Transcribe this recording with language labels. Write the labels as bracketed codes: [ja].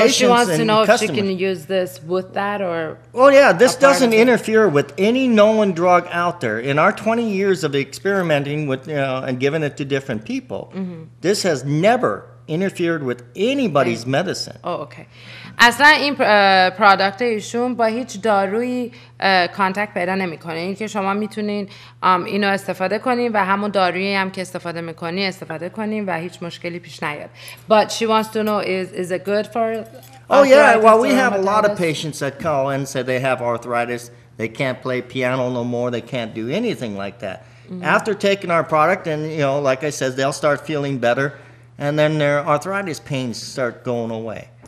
[en] patients and So she wants to know customers. If she can use this with that or... Well, yeah, this doesn't interfere with any known drug out there. In our 20 years of experimenting with and giving it to different people, this has never interfered with anybody's medicine. Oh, okay. [fa] اصلا این پروداکت ایشون با هیچ دارویی کانتکت پیدا نمیکنه. اینکه شما میتونین اینو استفاده کنین و همون دارویی هم که استفاده میکنین استفاده کنین و هیچ مشکلی پیش نیاد. [en] But she wants to know is it good for Oh yeah, well we have a lot of patients that call and say they have arthritis, they can't play piano no more, they can't do anything like that. Mm-hmm. After taking our product and you know, like I said, they'll start feeling better and then their arthritis pains start going away.